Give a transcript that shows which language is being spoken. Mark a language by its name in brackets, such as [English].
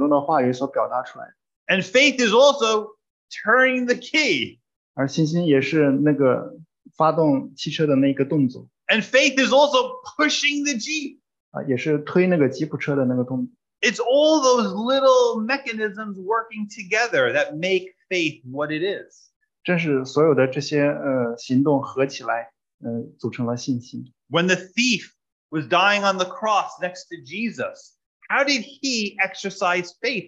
[Chinese] 所以信心是可以通过我们口中的话语所表达出来。 [English] And faith is also turning the key. [Chinese] 而信心也是那个发动汽车的那个动作。 [English] And faith is also pushing the Jeep. [Chinese] 也是推那个吉普车的那个动作。 [English] It's all those little mechanisms working together that make faith what it is. [Chinese] 正是所有的这些行动合起来组成了信心。 [English] When the thief was dying on the cross next to Jesus, how did he exercise faith?